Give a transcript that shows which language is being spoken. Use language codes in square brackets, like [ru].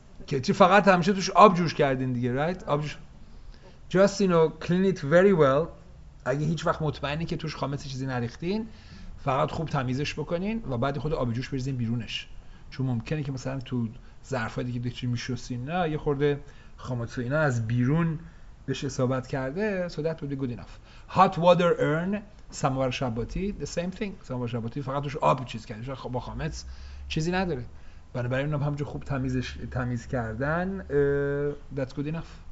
[fa] کتری فقط همیشه توش آب جوش کردین دیگه، رایت؟ آب جوش. [en] Just you know, clean it very well. [fa] اگه هیچ وقت مطمئنی که توش خامس چیزی نریختین، فقط خوب تمیزش بکنین و بعد خود آب جوش بریزین بیرونش. چون ممکنه که مثلا تو ظرفایی که دکتری میشستین نه یه خورده خامس و اینا از بیرون بهش اصابت کرده، [en] so that would be good enough. Hot water urn، [fa] سماور شباتی، [en] the same thing. [fa] سماور شباتی فقط توش آب چیز کرده، چون با خامس چیزی نداره. بنابراین اونم همجور خوب تمیز کردن، [en] that's good enough.